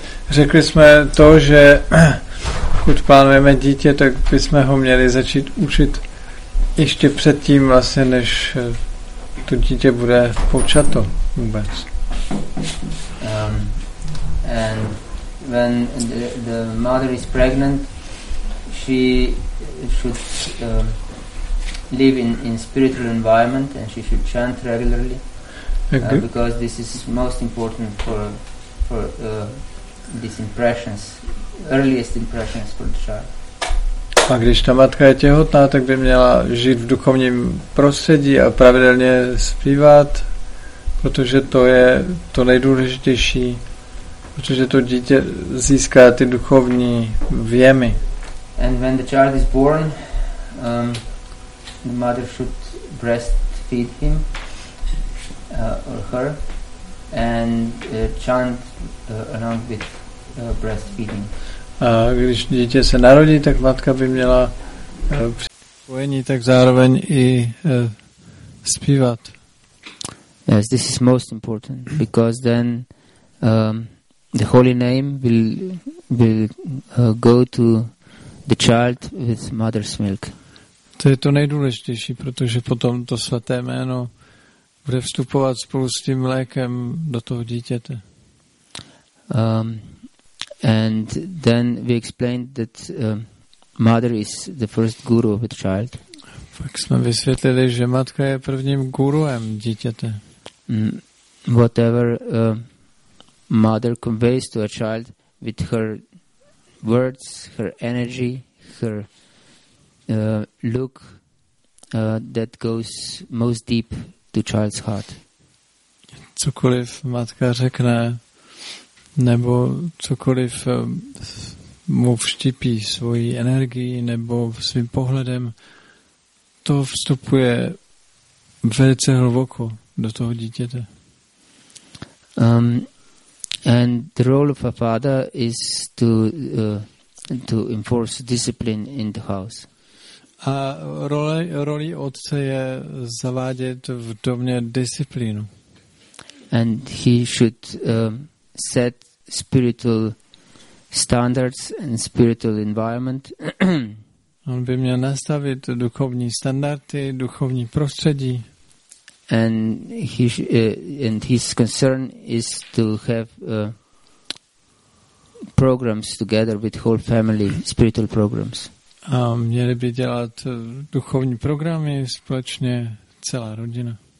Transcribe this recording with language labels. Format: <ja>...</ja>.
<cs>Řekli jsme to, že pokud plánujeme dítě, tak bychom ho měli začít učit ještě předtím, vlastně, než to dítě bude počato vůbec.</cs> <en>And when the mother is pregnant, she should live in spiritual environment and she should chant regularly, because this is most important for these impressions, earliest impressions for the child.</en> <cs>A když ta matka je těhotná, tak by měla žít v duchovním prostředí a pravidelně zpívat, protože to je to nejdůležitější, protože to dítě získá ty duchovní vjemy.</cs> <en>And when the child is born, the mother should breastfeed him or her and chant along with breastfeeding.</en> <cs>A když dítě se narodí, tak matka by měla při spojení tak zároveň i zpívat.</cs> <en>Yes, this is most important because then the holy name will go to the child with mother's milk.</en> <cs>To je to nejdůležitější, protože potom to svaté jméno bude vstupovat spolu s tím mlékem do toho dítěte.</cs> <en>And then we explained that mother is the first guru of the child.</en> <cs>Pak jsme vysvětlili, že matka je prvním guruem dítěte.</cs> <en>Whatever mother conveys to a child with her words, her energy, her look, that goes most deep to child's heart.</en> <cs>Cokoliv matka řekne, nebo cokoliv mu vštípí svoji energii nebo svým pohledem, to vstupuje velice hluboko do toho dítěte.</cs> <en>And the role of a father is to enforce discipline in the house.</en> <cs>A roli otce je zavádět v domě disciplínu.</cs> <en>And he should set spiritual standards and spiritual environment.</en> <cs>On by měl nastavit duchovní standardy, duchovní prostředí.</cs> <en>And his concern is to have programs together with whole family, spiritual programs.</en> <cs>A měli by dělat duchovní programy společně celá rodina.</cs>